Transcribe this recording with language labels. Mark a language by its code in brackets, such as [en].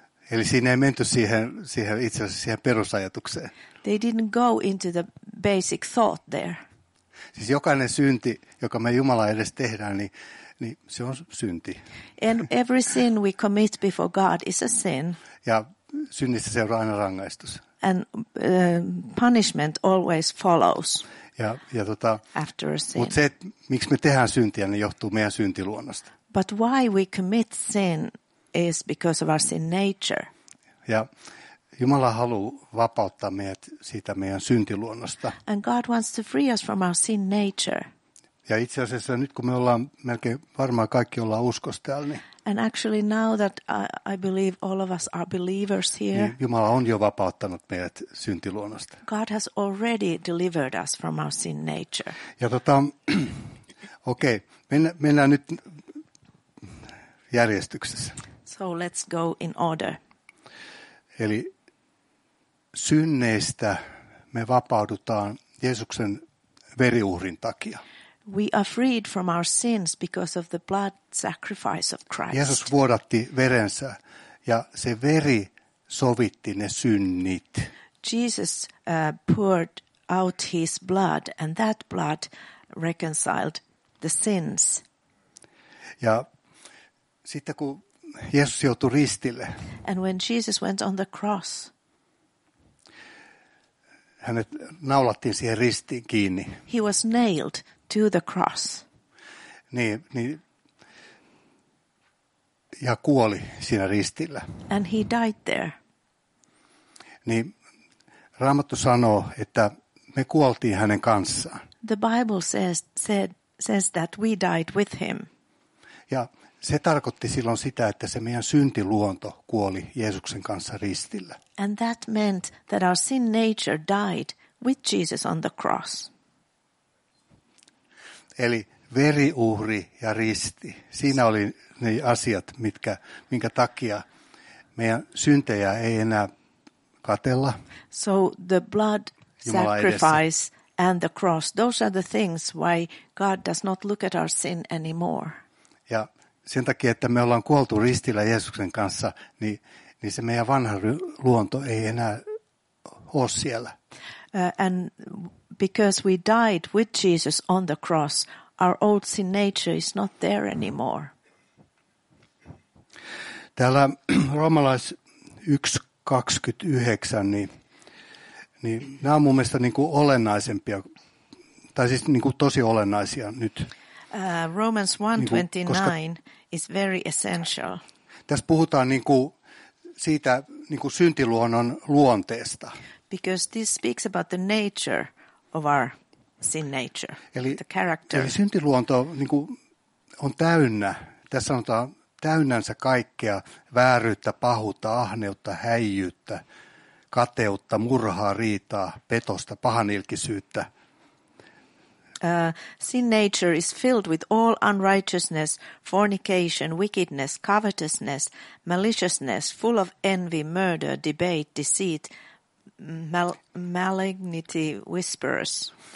[fi] Eli siinä ei menty siihen itse asiassa siihen perusajatukseen. [en] They didn't go into the basic thought there. [fi] Siis jokainen synti, joka me Jumalan edes tehdään, niin se on synti. [en] And every sin we commit before God is a sin. [fi] Ja synnistä seuraa aina rangaistus. [en] And punishment always follows. [fi] Ja [en] after a sin. [fi] Mutta se, miksi me tehdään syntiä, niin johtuu meidän syntiluonnosta. [en] But why we commit sin is because of our sin nature. [fi] Ja Jumala haluaa vapauttaa meidät siitä meidän syntiluonnosta. [en] And God wants to free us from our sin nature. [fi] Ja itse asiassa nyt kun me ollaan melkein varmaan kaikki ollaan uskossa täällä, niin [en] and actually now that I believe all of us are believers here. [fi] Niin Jumala on jo vapauttanut meidät syntiluonnosta. [en] God has already delivered us from our sin nature. [fi] Ja okei, mennään nyt järjestyksessä. [en] So let's go in order. [fi] Eli synneistä me vapaudutaan Jeesuksen veriuhrin takia. [en] We are freed from our sins because of the blood sacrifice of Christ. [fi] Jeesus vuodatti verensä ja se veri sovitti ne synnit. [en] Jesus poured out his blood and that blood reconciled the sins. [fi] Ja sitten kun Jeesus joutui ristille. [en] And when Jesus went on the cross. [fi] Hänet naulattiin siihen ristiin kiinni. [en] He was nailed to the cross. [fi] Niin ja kuoli siinä ristillä. [en] And he died there. [fi] Niin Raamattu sanoo, että me kuoltiin hänen kanssaan. [en] The Bible says that we died with him. [fi] Ja Se tarkoitti silloin sitä, että se meidän syntiluonto kuoli Jeesuksen kanssa ristillä. [en] And that meant that our sin nature died with Jesus on the cross. [fi] Eli veriuhri ja risti. Siinä oli ne asiat, minkä takia meidän syntejä ei enää katella. [en] So the blood sacrifice and the cross, those are the things why God does not look at our sin anymore. [fi] Ja sen takia, että me ollaan kuoltu ristillä Jeesuksen kanssa, niin se meidän vanha luonto ei enää ole siellä. [en] And because we died with Jesus on the cross, our old sin nature is not there anymore. [fi] Täällä Roomalais 1:29, niin nämä on mun mielestä niin kuin olennaisempia, tai siis niin kuin tosi olennaisia nyt. [en] Romans 1:29 is very essential. [fi] Tässä puhutaan niin kuin siitä niin kuin syntiluonnon luonteesta. [en] Because this speaks about the nature of our sin nature, [fi] eli, [en] the character. [fi] Eli syntiluonto niin kuin on täynnä, tässä sanotaan, täynnänsä kaikkea vääryyttä, pahuutta, ahneutta, häijyyttä, kateutta, murhaa, riitaa, petosta, pahanilkisyyttä. [en] Sin nature is filled with all unrighteousness, fornication, wickedness, covetousness, maliciousness, full of envy, murder, debate, deceit, malignity, whispers.